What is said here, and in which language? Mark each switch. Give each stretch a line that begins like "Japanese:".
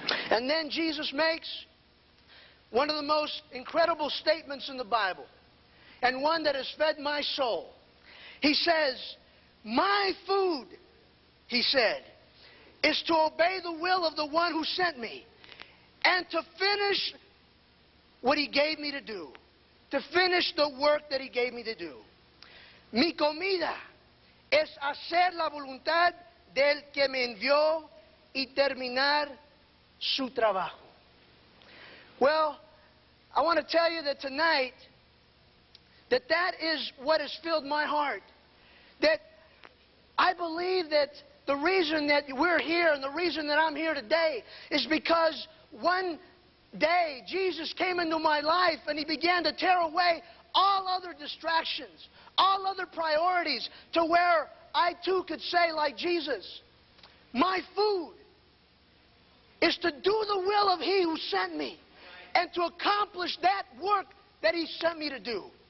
English: And then Jesus makes one of the most incredible statements in the Bible, and one that has fed my soul. He says, my food, he said, is to obey the will of the one who sent me and to finish what he gave me to do, to finish the work that he gave me to do.
Spanish: Mi comida es hacer la voluntad del que me envió y terminar su trabajo.
English: Well, I want to tell you that tonight, that is what has filled my heart. That I believe that the reason that we're here and the reason that I'm here today is because one day Jesus came into my life and he began to tear away all other distractions, all other priorities, to where I too could say like Jesus, my food is to do the will of he who sent me and to accomplish that work that he sent me to do.